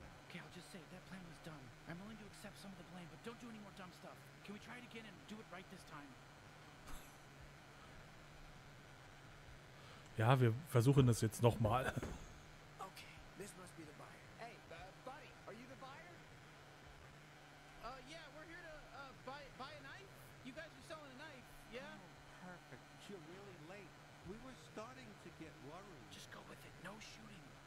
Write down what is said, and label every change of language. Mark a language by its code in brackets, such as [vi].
[en] Okay, I'll just say that plan was dumb. I'm willing to accept some of the blame, but don't do any more dumb stuff. Can we try it again and do it right this time? [de] Ja, wir versuchen das jetzt nochmal. [en] Okay, this must be the buyer. Hey, buddy, are you the buyer? Yeah, we're here to buy a knife. You guys are selling a knife, yeah? Oh, perfect. You're really late. We were starting to get worried. Just go with it. No shooting.